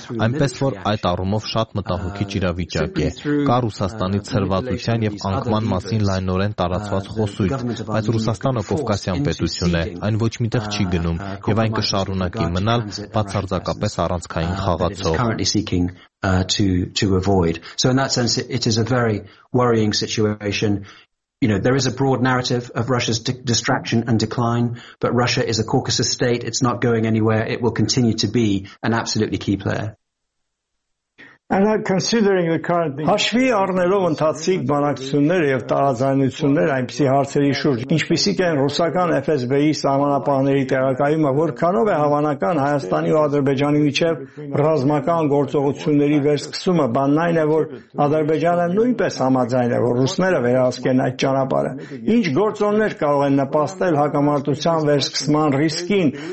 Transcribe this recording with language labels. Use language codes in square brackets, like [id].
[hy] Այնպես որ այդ առումով շատ մտահոգիչ իրավիճակ է։ Կա Ռուսաստանի ցրվածության և անկման մասին լայնորեն տարածված խոսույթ, բայց Ռուսաստանը Կովկասյան պետություն է, այն ոչ մի տեղ չի գնում, և այն կշարունակի մնալ բացարձակապես առանցքային խաղացող։ [en] To avoid. So in that sense, it is a very worrying situation. You know, there is a broad narrative of Russia's distraction and decline, but Russia is a Caucasus state. It's not going anywhere. It will continue to be an absolutely key player. And considering the current [hy] հաշվի առնելով ընթացիկ բանակցությունները եւ տարաձայնությունները այնպիսի հարցերի շուրջ, ինչպիսիք են ռուսական FSB-ի սահմանապահների տեղակայումը, որքանով է հավանական Հայաստանի ու Ադրբեջանի միջև ռազմական գործողությունների վերսկսումը, բանն այն է, որ Ադրբեջանը նույնպես համաձայն է, որ ռուսները վերահսկեն այդ ճանապարհը, ինչ գործոններ կարող են նպաստել հակամարտության վերսկսման ռիսկին